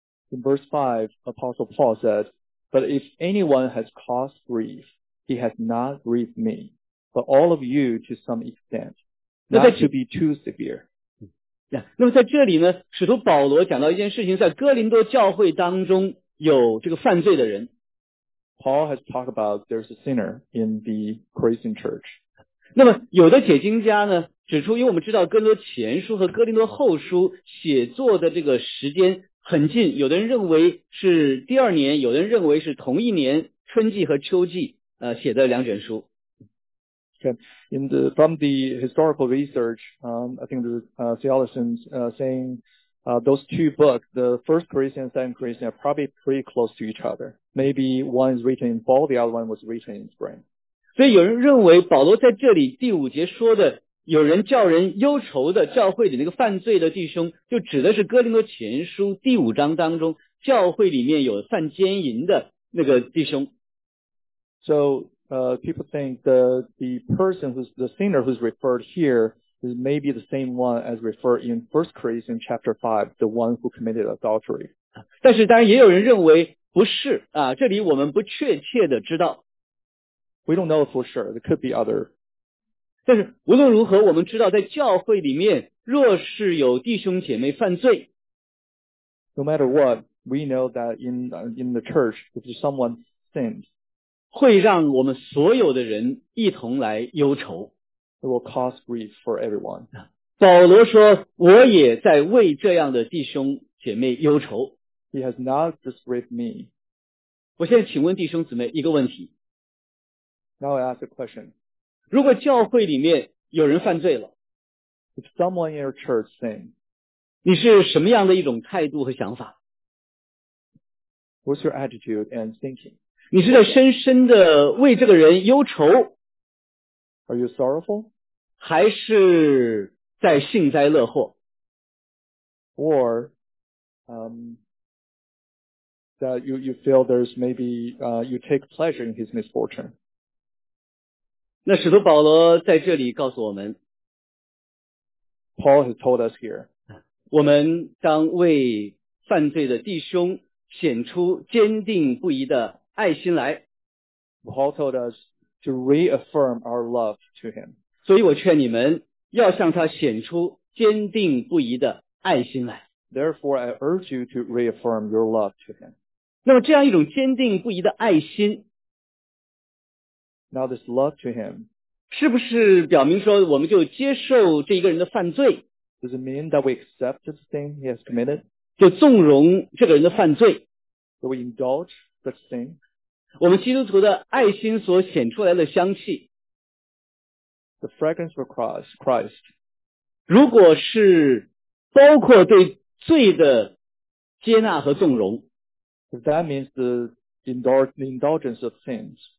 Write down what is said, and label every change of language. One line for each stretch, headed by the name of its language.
English: In verse 5, Apostle Paul says, But if anyone has caused grief, he has not grieved me, but all of you to some extent. Not to be too severe.
Chinese: 那么在这里呢，使徒保罗讲到一件事情，在哥林多教会当中有这个犯罪的人。
English: Paul has talked about there's a sinner in the Christian church.
Chinese: 那么有的解经家呢，指出，因为我们知道哥林多前书和哥林多后书写作的这个时间很近，有的人认为是第二年，有的人认为是同一年春季和秋季写的两卷书。
English: In the, from the historical research, I think the theologians saying those two books, the first Corinthians and second Corinthians, are probably pretty close to each other. Maybe one is written in fall, the other one was written in spring.
Chinese: 所以有人认为保罗在这里第五节说的有人叫人忧愁的教会里那个犯罪的弟兄，就指的是哥林多前书第五章当中教会里面有犯奸淫的那个弟兄。
English: So,people think the person who's the sinner who's referred here is maybe the same one as referred in 1 Corinthians chapter 5, the one who committed adultery.
Chinese: 但是当然也有人认为不是啊，这里我们不确切的知道。
English: We don't know for sure, there could be other.
Chinese: 但是无论如何我们知道在教会里面若是有弟兄姐妹犯罪。
English: No matter what, we know that in the church, if someone sins,
Chinese: 会让我们所有的人一同来忧愁。
English: It will cause grief for everyone.
Chinese: 保罗说，我也在为这样的弟兄姐妹忧愁。
English: He has not just grieved me.
Chinese: 我现在请问弟兄姊妹一个问题。
English: Now I ask a question.
Chinese: 如果教会里面有人犯罪了。
English: If someone in your church sinned.
Chinese: 你是什么样的一种态度和想法？
English: What's your attitude and thinking?
Chinese: 你是在深深的为这个人忧愁
English: ？Are you sorrowful？
Chinese: 还是在幸灾乐祸
English: ？Or that you feel there's maybe you take pleasure in his misfortune？
Chinese: 那使徒保罗在这里告诉我们
English: ，Paul has told us here，
Chinese: 我们当为犯罪的弟兄显出坚定不移的。爱心来。
English: Paul told us to reaffirm our love to him.
Chinese: 所以我劝你们要向他显出坚定不移的爱心来。
English: Therefore, I urge you to reaffirm your love to him.
Chinese: 那么这样一种坚定不移的爱心。
English: Now this love to him.
Chinese: 是不是表明说我们就接受这一个人的犯罪？
English: Does it mean that we accept the sin he has committed?
Chinese: 就纵容这个人的犯罪。
English: So we indulge such sin.
Chinese: 我们基督徒的爱心所显出来的香气。
English: The fragrance of Christ.
Chinese: 如果是包括对罪的接纳和纵容。
English: If that means the indulgence of sins.